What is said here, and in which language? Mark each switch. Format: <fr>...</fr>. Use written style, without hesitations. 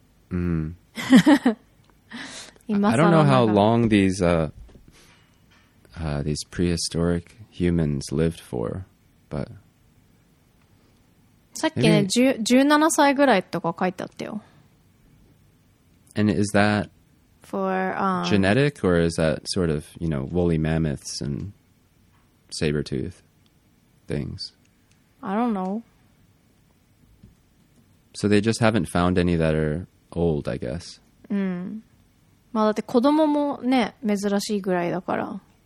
<en>I don't know how long these... these prehistoric humans lived for, but</en> <ja>さっきね、17歳ぐらいとか書いてあったよ。</ja> <en>And is that for genetic or is that sort of, you know, woolly mammoths and saber tooth things? I don't know. So they just haven't found any that are old, I guess.</en> <ja>まあだって子供もね、珍しいぐらいだから。</ja>